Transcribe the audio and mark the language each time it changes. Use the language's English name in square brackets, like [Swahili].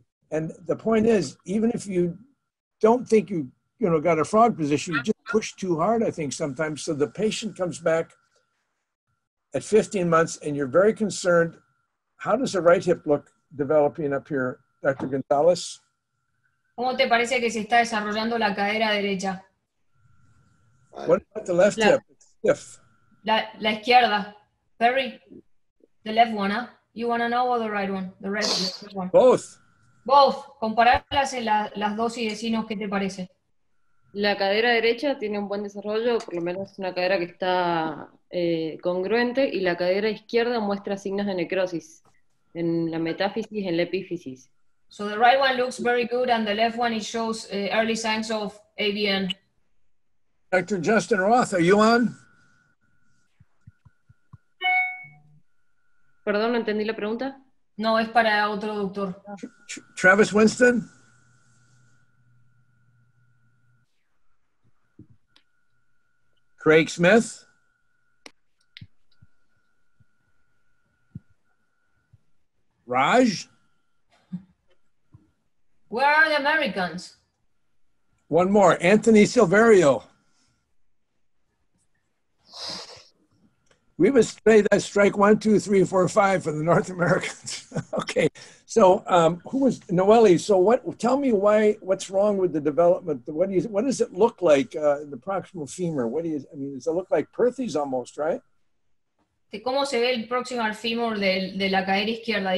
[English] And the point is, even if you don't think you got a frog position, you just push too hard, I think, sometimes. So the patient comes back at 15 months, and you're very concerned. How does the right hip look developing up here Dr. Gonzalez. [Spanish] ¿Cómo te parece que se está desarrollando la cadera derecha? [English] What about the left hip? Stiff. [Spanish] La izquierda. [English] Perry, the left one, huh? You want to know or the right one? The red one. Both. Both. [Spanish] Compararlas en las dos y decinos, ¿qué te parece? La cadera derecha tiene un buen desarrollo, por lo menos es una cadera que está congruente, y la cadera izquierda muestra signos de necrosis en la metáfisis y en la epífisis. [English] So the right one looks very good and the left one it shows early signs of AVN. Dr. Justin Roth, are you on? [Spanish] Perdón, no entendí la pregunta. No, es para otro doctor. [English] Travis Winston? Craig Smith? Raj? Where are the Americans? One more, Anthony Silverio. We must play that strike 1, 2, 3, 4, 5 for the North Americans. Okay, so who was Noelle? So what, tell me why, what's wrong with the development? What does it look like in the proximal femur? Does it look like Perthes almost, right? [Spanish] ¿Cómo se ve el proximal femur de la cadera izquierda?